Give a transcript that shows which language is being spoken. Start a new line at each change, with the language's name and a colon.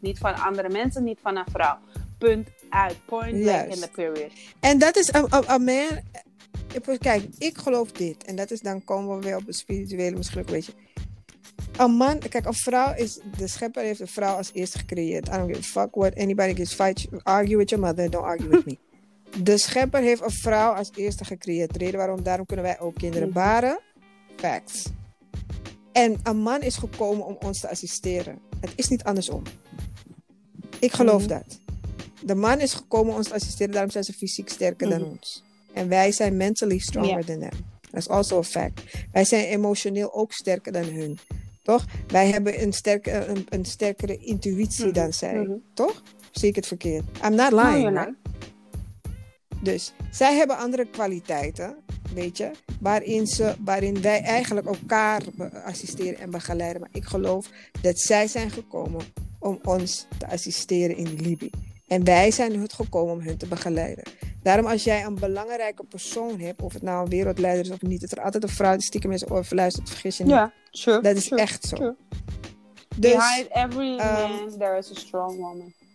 Dutch: Niet van andere mensen, niet van een vrouw. Punt uit.
English: Point blank in the period.
Dutch: En dat is a man. Kijk, ik geloof dit. En dat is, dan komen we weer op een spirituele misschien ook een beetje. Een man, kijk, een vrouw is, de schepper heeft een vrouw als eerste gecreëerd.
English: I don't give a fuck what anybody gives, fight, argue with your mother, don't argue with me.
Dutch: De schepper heeft een vrouw als eerste gecreëerd. Reden waarom, daarom kunnen wij ook kinderen baren. Facts. En een man is gekomen om ons te assisteren. Het is niet andersom. Ik geloof dat. De man is gekomen om ons te assisteren, daarom zijn ze fysiek sterker dan ons. En wij zijn
English: mentally stronger than them. That's also a fact.
Dutch: Wij zijn emotioneel ook sterker dan hun. Toch? Wij hebben een sterkere intuïtie dan zij. Toch? Zie ik het verkeerd?
English: I'm not lying.
Dutch: No, dus, zij hebben andere kwaliteiten, weet je, waarin wij eigenlijk elkaar assisteren en begeleiden. Maar ik geloof dat zij zijn gekomen om ons te assisteren in Libië. En wij zijn het gekomen om hun te begeleiden. Daarom als jij een belangrijke persoon hebt, of het nou een wereldleider is of niet, dat er altijd een vrouw die stiekem in zijn oor verluistert, vergis je niet. Ja, dat is echt zo. Dus,
English: behind every man, there is a strong woman.